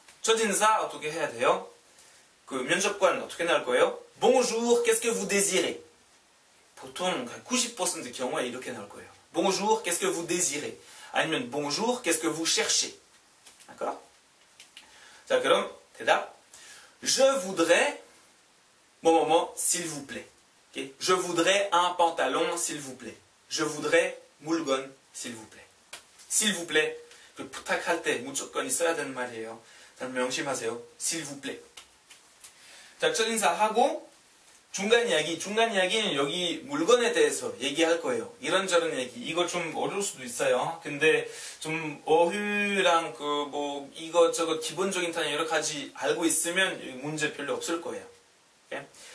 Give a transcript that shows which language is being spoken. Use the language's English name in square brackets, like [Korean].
[Korean] 첫인사 어떻게 해야 돼요? 그 면접관 어떻게 나올 거예요? [French] Bonjour, qu'est-ce que vous désirez? [Korean] 보통 90% 경우에 이렇게 나올 거예요. [French] Bonjour, qu'est-ce que vous désirez? 아니면 Bonjour, qu'est-ce que vous cherchez? [Korean] 자, 그럼 대답. [French] Je voudrais, 뭐뭐뭐, s'il vous plaît. Okay? Je voudrais un pantalon, s'il vous plaît. Je voudrais 물건, s'il vous plaît. S'il vous plaît. [Korean] 그 부탁할 때 무조건 있어야 되는 말이에요. 잘 명심하세요. [French] S'il vous plaît. [Korean] 자, 첫인사하고 중간 이야기. 중간 이야기는 여기 물건에 대해서 얘기할 거예요. 이런저런 얘기. 이거 좀 어려울 수도 있어요. 근데 좀 어휘랑 그 뭐 이것저것 기본적인 단어 여러 가지 알고 있으면 문제 별로 없을 거예요. 예?